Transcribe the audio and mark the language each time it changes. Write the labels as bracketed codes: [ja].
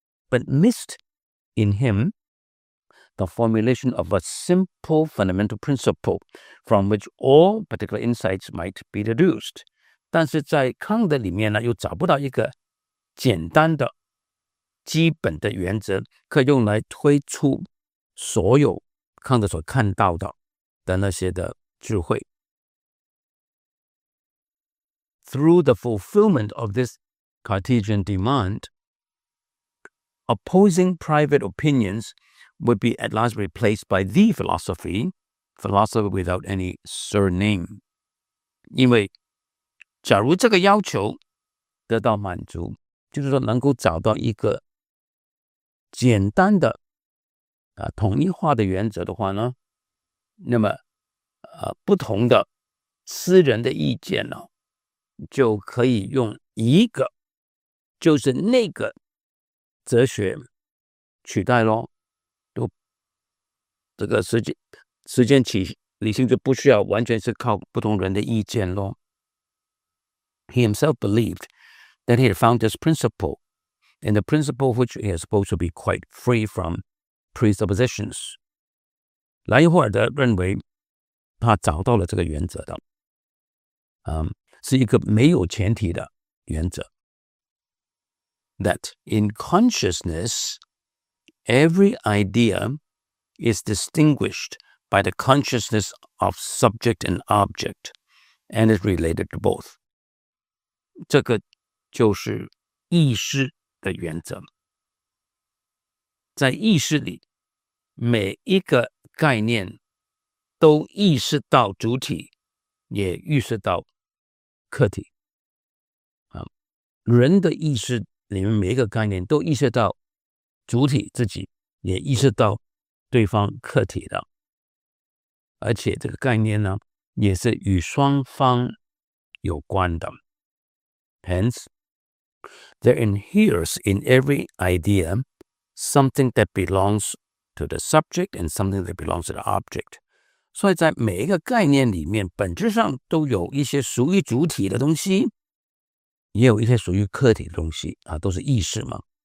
[en] But missed in him the formulation of a simple fundamental principle from which all particular insights might be deduced， [zh] 但是在康德里面呢，又找不到一个简单的基本的原则可以用来推出所有康德所看到的那些的智慧。 [en] Through the fulfillment of this Cartesian demand, opposing private opinions would be at last replaced by the philosophy, philosophy without any surname. [zh] 因为假如这个要求得到满足，就是说能够找到一个简单的统一化的原则的话呢，那么不同的私人的意见呢，就可以用一个就是那个哲学取代咯，都这个时间起理性就不需要完全是靠不同人的意见咯。 [en] He himself believed that he had found this principle, and the principle which he is supposed to be quite free from presuppositions. [zh] 莱因霍尔德认为他找到了这个原则的，是一个没有前提的原则。 [en] That in consciousness, every idea is distinguished by the consciousness of subject and object, and is related to both. [zh] 这个就是意识的原则。在意识里，每一个概念都意识到主体，也预示到客体。人的意识里面每一个概念都意识到主体自己，也意识到对方客体的，而且这个概念呢，也是与双方有关的。 [en] Hence, there inheres in every idea something that belongs to the subject and something that belongs to the object. [zh] 所以在每一个概念里面，本质上都有一些属于主体的东西，也有一些属于客体的东西，都是意识嘛。